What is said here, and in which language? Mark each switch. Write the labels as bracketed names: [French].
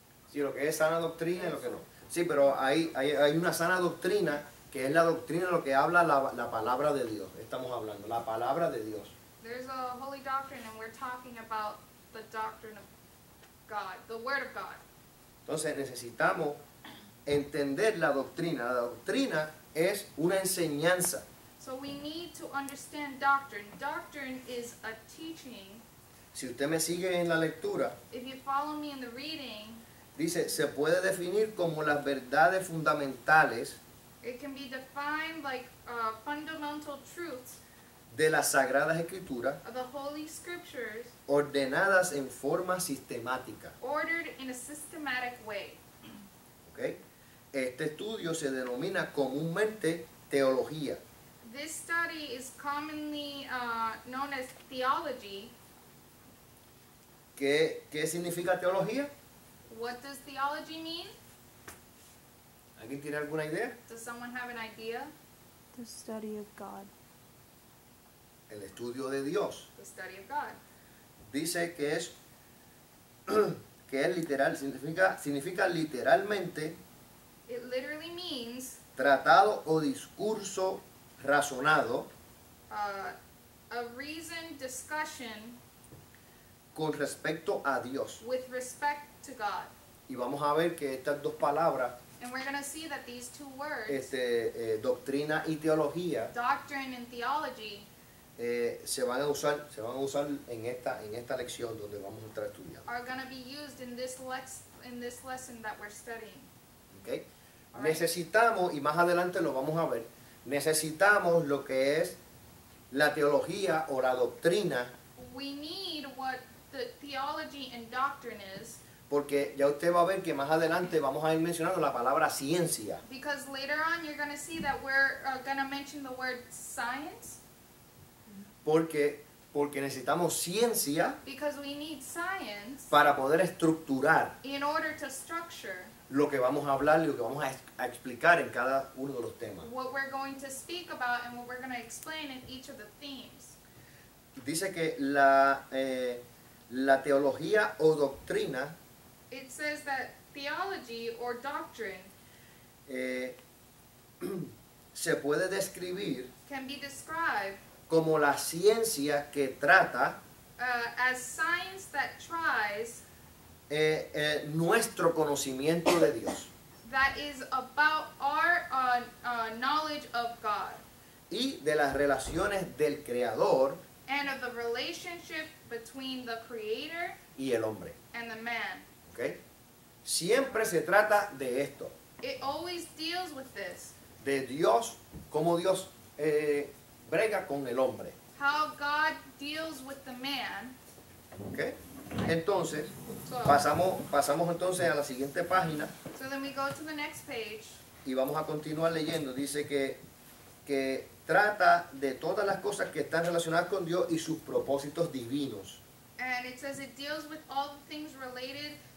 [Spanish] Sí, lo que es sana doctrina y lo que no. Sí, pero hay una sana doctrina, que es la doctrina de lo que habla la palabra de Dios. Estamos hablando, la palabra de Dios. [English] There's a holy doctrine and we're talking about the doctrine of God, the word of God. [Spanish] Entonces necesitamos entender la doctrina. La doctrina es una enseñanza. [English] So we need to understand doctrine. Doctrine is a teaching. [Spanish] Si usted me sigue en la lectura, [English] if you follow me in the reading, [Spanish] dice, se puede definir como las verdades fundamentales, [English] it can be defined like fundamental truths, [Spanish] de las Sagradas Escrituras, [English] of the Holy Scriptures, [Spanish] ordenadas en forma sistemática. [English] Ordered in a systematic way. Okay. [Spanish] Este estudio se denomina comúnmente teología. [English] This study is commonly known as theology. [Spanish] ¿Qué significa teología? [English] What does theology mean? [Spanish] ¿Alguien tiene alguna idea? [English] Does someone have an idea? The study of God. [Spanish] El estudio de Dios. [English] The study of God. [Spanish] Dice que es que es literal, significa literalmente. [English] It literally means [Spanish] tratado o discurso razonado. [English] A reasoned discussion [Spanish] con respecto a Dios. [English] With respect to God. [Spanish] Y vamos a ver que estas dos palabras, [English] and we're going to see that these two words, [Spanish] doctrina y teología, [English] doctrine and theology, [Spanish] se van a usar en esta lección donde vamos a estar estudiando. [English] Are going to be used in this lesson that we're studying. Okay. [Spanish] Necesitamos, y más adelante lo vamos a ver, necesitamos lo que es la teología o la doctrina. [English] We need what the theology and doctrine is. [Spanish] Porque ya usted va a ver que más adelante vamos a ir mencionando la palabra ciencia. [English] Because later on you're going to see that we're going to mention the word science. [Spanish] Porque necesitamos ciencia. [English] Because we need science. [Spanish] Para poder estructurar. [English] In order to structure. [Spanish] Lo que vamos a hablar y lo que vamos a explicar en cada uno de los temas. [English] What we're going to speak about and what we're going to explain in each of the themes. [Spanish] Dice que la teología o doctrina. [English] It says that theology or doctrine [Spanish] se puede describir, [English] can be described, [Spanish] como la ciencia que trata [English] as science that tries [Spanish] nuestro conocimiento de Dios. [English] That is about our knowledge of God. [Spanish] Y de las relaciones del Creador [English] and of the relationship between the Creator [Spanish] y el hombre [English] and the man. Okay. [Spanish] Siempre se trata de esto. [English] It always deals with this. [Spanish] De Dios, cómo Dios brega con el hombre. [English] How God deals with the man. Okay. [Spanish] Entonces, pasamos entonces a la siguiente página. [English] So then we go to the next page. [Spanish] Y vamos a continuar leyendo. Dice que trata de todas las cosas que están relacionadas con Dios y sus propósitos divinos. [English] And it says it deals with all the things related